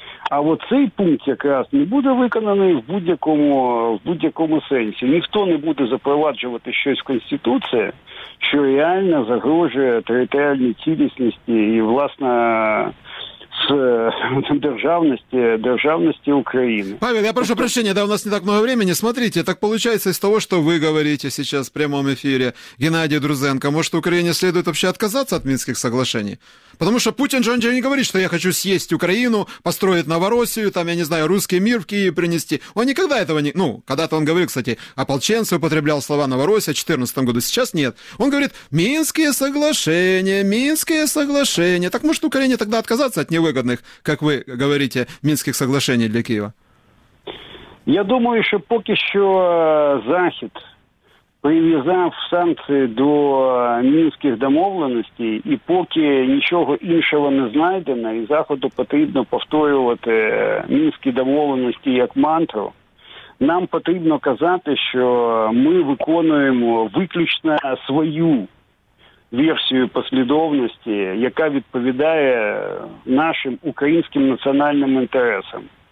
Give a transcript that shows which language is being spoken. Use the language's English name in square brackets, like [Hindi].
[Ukrainian] А от цей пункт якраз не буде виконаний в будь-якому сенсі. Ніхто не буде запроваджувати щось в Конституції, що реально загрожує територіальній цілісності і, власне, [Russian] державности Украины. Павел, я прошу прощения, да, у нас не так много времени. Смотрите, так получается из того, что вы говорите сейчас в прямом эфире, Геннадий Друзенко, может, Украине следует вообще отказаться от Минских соглашений? Потому что Путин же, он же не говорит, что я хочу съесть Украину, построить Новороссию, там, я не знаю, русский мир в Киев принести. Он никогда этого не... Ну, когда-то он говорил, кстати, ополченцы употреблял слова Новороссия в 14 году, сейчас нет. Он говорит, Минские соглашения. Так может, Украине тогда отказаться от невыгодных, как вы говорите, Минских соглашений для Киева? Я думаю, что пока еще [Ukrainian] Захід прив'язав санкції до мінських домовленостей, і поки нічого іншого не знайдено, і Заходу потрібно повторювати мінські домовленості як мантру, нам потрібно казати, що ми виконуємо виключно свою версію послідовності, яка відповідає нашим українським національним інтересам.